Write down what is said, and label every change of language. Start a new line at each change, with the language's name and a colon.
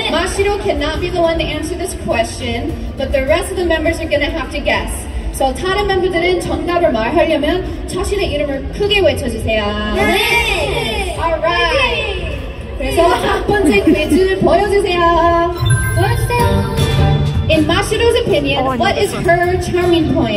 English: 마시로 cannot be the one to answer this question, but the rest of the members are going to have to guess.
Korean: So 다른 멤버들은 정답을 말하려면 자신의 이름을 크게 외쳐주세요. 네!
English: Alright!
Korean: 그래서 첫 번째 퀴즈 보여주세요. 보여주세요.
English: In Mashiro's opinion, what is her charming point?